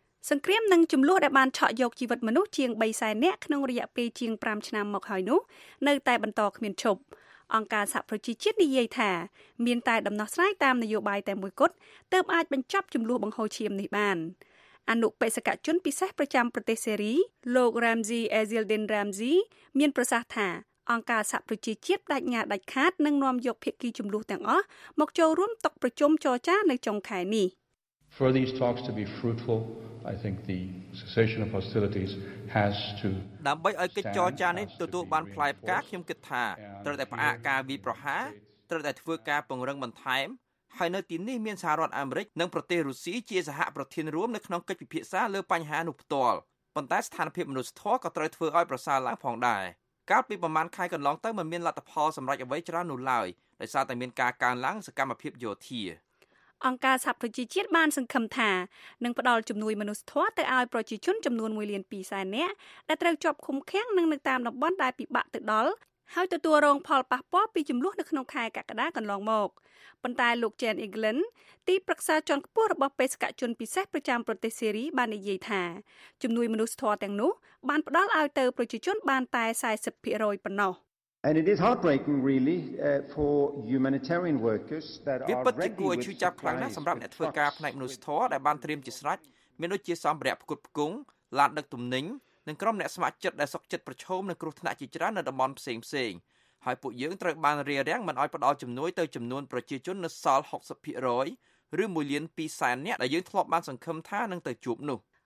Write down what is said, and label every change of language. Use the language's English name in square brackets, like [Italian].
[Khmer] សង្គ្រាមនិងចំនួនដែលបានឆក់យកជីវិតមនុស្សជាង300,000នាក់ក្នុងរយៈពេលជាង5ឆ្នាំមកហើយនោះនៅតែបន្តគ្មានឈប់អង្គការសហប្រជាជាតិនិយាយថាមានតែដំណោះស្រាយតាមនយោបាយតែមួយគត់ទើបអាចបញ្ចប់ចំនួនបង្ហូរឈាមនេះបានអនុបេសកជនពិសេសប្រចាំប្រទេសសេរីលោក Ramzi Ezeldin Ramzi មានប្រសាសន៍ថាអង្គការសហប្រជាជាតិដាច់ញាដាច់ខាតនឹងនាំយកភាគីចំនួនទាំងអស់មកចូលរួមតុប្រជុំចរចានៅចុងខែនេះ [English] For these talks to be fruitfulI think the cessation of hostilities has to [Khmer] ដើម្បីឲ្យកិច្ចចរចានេះទទួលបានផ្លែផ្កាខ្ញុំគិតថាត្រូវតែផ្អាកការវាយប្រហារត្រូវតែធ្វើការពង្រឹងបន្ថែមហើយនៅទីនេះមានសហរដ្ឋអាមេរិកនិងប្រទេសរុស្ស៊ីជាសហប្រធានរួមនៅក្នុងកិច្ចពិភាក្សាលើបញ្ហានោះផ្ទាល់ប៉ុន្តែស្ថានភាពមនុស្សធម៌ក៏ត្រូវធ្វើឲ្យប្រសើរឡើងផងដែរកាលពីប្រមាណខែកន្លងទៅមិនមានលទ្ធផលសម្រេចអ្វីច្រើននោះឡើយដោយសារតែមានការកើនឡើងសកម្មភាពយោធា អង្គការសហប្រជាជាតិបានសង្ឃឹមថានឹងផ្តល់ជំនួយមនុស្សធម៌ទៅឲ្យប្រជាជនចំនួន 1,200,000 នាក់ដែលត្រូវជាប់ឃុំឃាំងនិងនៅតាមតំបន់ដែលពិបាកទៅដល់ហើយទទួលរងផលប៉ះពាល់ពីជម្លោះនៅក្នុងខែកក្កដាកន្លងមកប៉ុន្តែលោក Jane England ទីប្រឹក្សាជាន់ខ្ពស់របស់បេសកជនពិសេសប្រចាំប្រទេសសេរីបាននិយាយថាជំនួយមនុស្សធម៌ទាំងនោះបានផ្តល់ឲ្យទៅប្រជាជនបានតែ 40% ប៉ុណ្ណោះ [English] And it is heartbreaking really for humanitarian workers that are ready to go [Khmer] ជួយចាប់ខ្លាំងណាស់សម្រាប់អ្នកធ្វើការផ្នែកមនុស្សធម៌ដែលបានត្រៀមជាស្រេចមានដូចជាសម្ភារៈផ្គត់ផ្គង់ឡានដឹកទំនិញនិងក្រុមអ្នកស្ម័គ្រចិត្តដែលសុខចិត្តប្រឈមនឹងគ្រោះថ្នាក់ជាច្រើននៅតំបន់ផ្សេងផ្សេងហើយពួកយើងត្រូវបានរារាំងមិនឲ្យផ្តល់ជំនួយទៅចំនួនប្រជាជននៅសល់ 60% ឬ 1,200,000 នាក់ដែលយើងធ្លាប់បានសង្ឃឹមថានឹងទៅជួបនោះ